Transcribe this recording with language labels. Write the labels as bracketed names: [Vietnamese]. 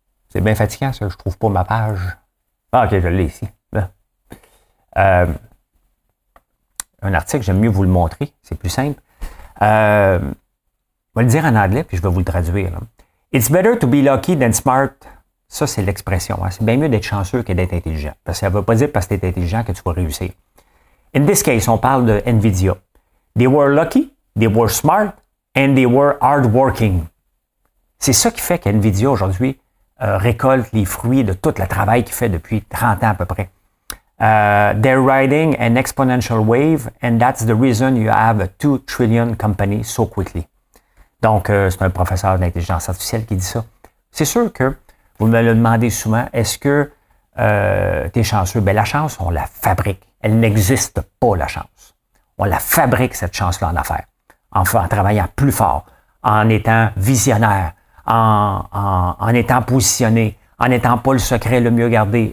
[French] C'est bien fatigant ça, je trouve pas ma page. Ah ok, je l'ai ici. Un article, j'aime mieux vous le montrer, c'est plus simple. Je vais le dire en anglais puis je vais vous le traduire là. [English] It's better to be lucky than smart. [French] Ça, c'est l'expression. Hein? C'est bien mieux d'être chanceux que d'être intelligent. Parce que ça ne veut pas dire parce que tu es intelligent que tu vas réussir. [English] In this case, [French] on parle de Nvidia. [English] They were lucky, they were smart, and they were hardworking. [French] C'est ça qui fait qu'Nvidia aujourd'hui récolte les fruits de tout le travail qu'il fait depuis 30 ans à peu près. [English] They're riding an exponential wave, and that's the reason you have a 2 trillion company so quickly. [French] Donc, c'est un professeur d'intelligence artificielle qui dit ça. C'est sûr que vous me le demandez souvent, est-ce que tu es chanceux? Bien, la chance, on la fabrique. Elle n'existe pas, la chance. On la fabrique, cette chance-là, en affaires. Enfin, en travaillant plus fort, en étant visionnaire, en étant positionné, en n'étant pas le secret le mieux gardé.